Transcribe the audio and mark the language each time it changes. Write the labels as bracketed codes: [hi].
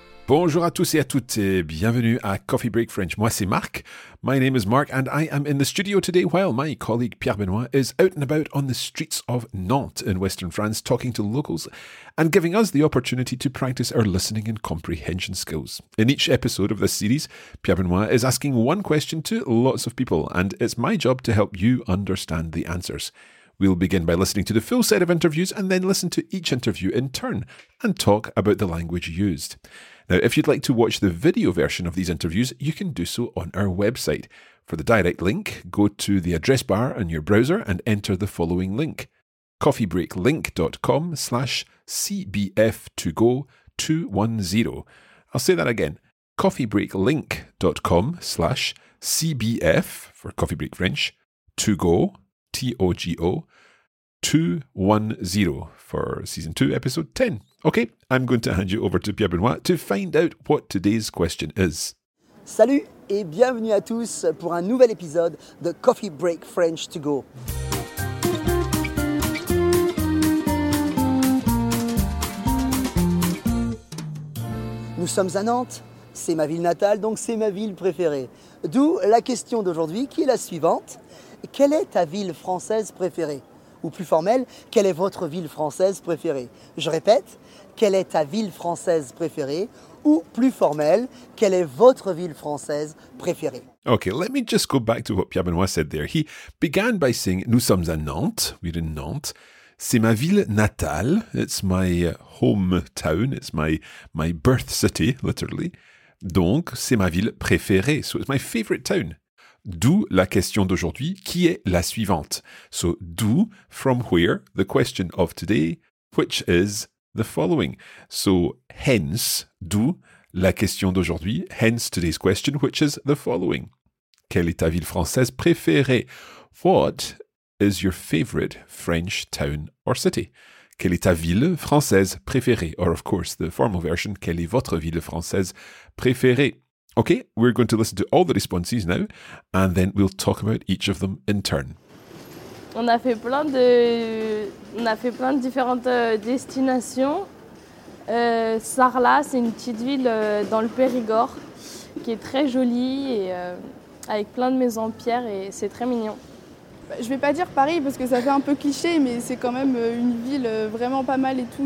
[fr] Bonjour à tous et à toutes, et bienvenue à Coffee Break French. Moi, c'est Marc. [en] My name is Marc, and I am in the studio today while my colleague Pierre Benoit is out and about on the streets of Nantes in Western France, talking to locals and giving us the opportunity to practice our listening and comprehension skills. In each episode of this series, Pierre Benoit is asking one question to lots of people, and it's my job to help you understand the answers. We'll begin by listening to the full set of interviews and then listen to each interview in turn and talk about the language used. Now, if you'd like to watch the video version of these interviews, you can do so on our website. For the direct link, go to the address bar on your browser and enter the following link, coffeebreaklink.com/CBF2Go210. I'll say that again, coffeebreaklink.com/CBF, for Coffee Break French, to go, T-O-G-O, 210 for season 2, episode 10. Okay, I'm going to hand you over to Pierre Benoit to find out what today's question is. [fr] Salut et bienvenue à tous pour un nouvel épisode de Coffee Break French To Go. Nous sommes à Nantes, c'est ma ville natale, donc c'est ma ville préférée. D'où la question d'aujourd'hui qui est la suivante. Quelle est ta ville française préférée ? Ou plus formelle, quelle est votre ville française préférée ? Je répète, quelle est ta ville française préférée ? Ou plus formelle, quelle est votre ville française préférée ? [en] Okay, let me just go back to what Pierre Benoit said there. He began by saying, [fr] nous sommes à Nantes, [en] we're in Nantes. [fr] C'est ma ville natale, [en] it's my hometown, it's my birth city, literally. [fr] Donc, c'est ma ville préférée, [en] so it's my favorite town. [fr] D'où la question d'aujourd'hui, qui est la suivante. [en] So, d'où, from where, the question of today, which is the following. So, hence, [fr] d'où la question d'aujourd'hui, [en] hence today's question, which is the following. [fr] Quelle est ta ville française préférée? [en] What is your favorite French town or city? [fr] Quelle est ta ville française préférée? [en] Or, of course, the formal version, [fr] quelle est votre ville française préférée? [en] Okay, we're going to listen to all the responses now, and then we'll talk about each of them in turn. [fr] On a fait plein de différentes destinations. Sarlat, c'est une petite ville dans le Périgord qui est très jolie et avec plein de maisons en pierre et c'est très mignon. Je vais pas dire Paris parce que ça fait un peu cliché, mais c'est quand même une ville vraiment pas mal et tout.